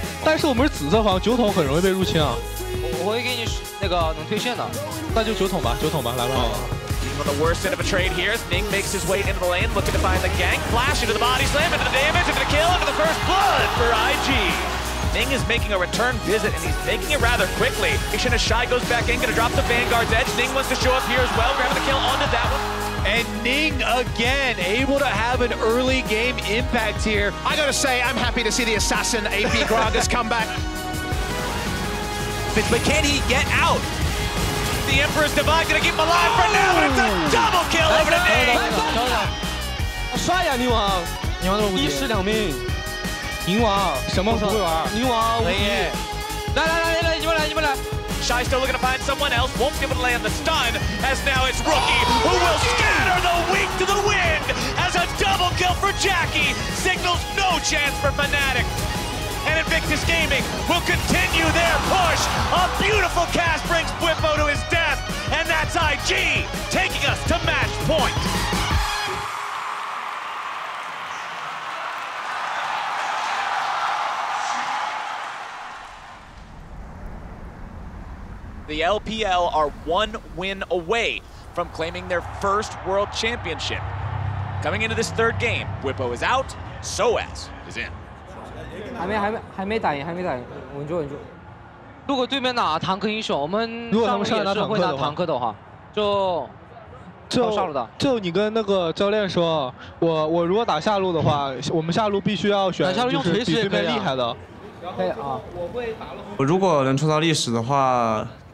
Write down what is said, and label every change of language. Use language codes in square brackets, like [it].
[zh] 但是我们是紫色房, 酒桶 很容易被入侵啊. 我会给你那个能推线的. 那就酒桶吧, 酒桶吧, 来吧. [en] On the worst end of a trade here, Ning makes his way into the lane, looking to find the gank, flash into the body slam, into the damage, into the kill, into the first blood for IG. Ning is making a return visit, and he's making it rather quickly. Incheon as Shy goes back in, gonna drop the Vanguard's edge. Ning wants to show up here as well, grabbing the kill onto that one. And Ning again, able to have an early game impact here. I gotta say, I'm happy to see the assassin AP Gragas come back. But can he get out? The Emperor's Divide gonna keep him alive for now, but it's a double kill over to Ning! Shy, Ning Wang. Ning Wang, 1-2. [zh] 宁王什么不会玩宁王无语来来来来你们来你们来 [en] Shy still looking to find someone else, won't be able to land the stun, as now it's Rookie who will scatter the weak to the wind as a double kill for Jackie signals no chance for Fnatic, and Invictus Gaming will continue their push. A beautiful cast brings Bwipo to his death, and that's IG taking us to match point. The LPL are one win away from claiming their first world championship. Coming into this third game, Bwipo is out, Soaz is in. [zh] 还没打赢，稳住。如果对面打坦克英雄，我们上路上的话会打坦克的话，就你跟那个教练说，我如果打下路的话，我们下路必须要选就是比对面厉害的。可以啊，我如果能冲到历史的话。